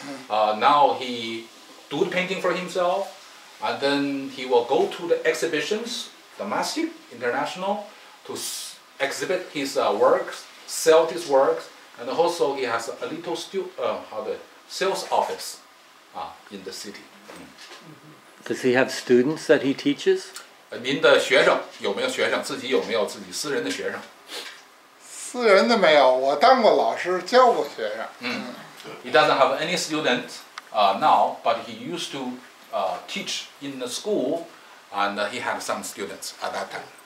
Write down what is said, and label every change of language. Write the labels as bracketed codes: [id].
[en] Now he do the painting for himself, and then he will go to the exhibitions, domestic, international, to exhibit his works, sell his works, and also he has a little sales office in the city. Does he have students that he teaches? [zh] 您的学生，有没有学生，自己有没有自己私人的学生？私人的没有，我当过老师，教过学生。 [en] He doesn't have any student now, but he used to teach in the school, and he had some students at that time.